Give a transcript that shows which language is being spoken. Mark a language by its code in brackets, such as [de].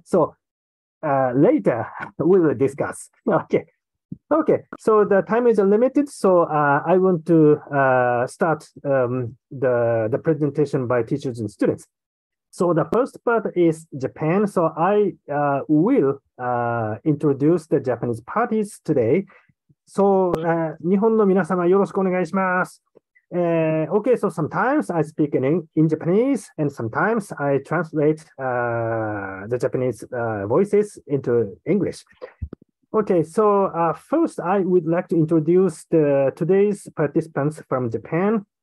[en] So later we will discuss. Okay. So the time is limited. So I want to start the presentation by teachers and students. So the first part is Japan. So I will introduce the Japanese parties today. [ja] So, 日本の皆様よろしくお願いします。 [en] Okay, so sometimes I speak in Japanese and sometimes I translate the Japanese voices into English. Okay, so first I would like to introduce the today's participants from Japan.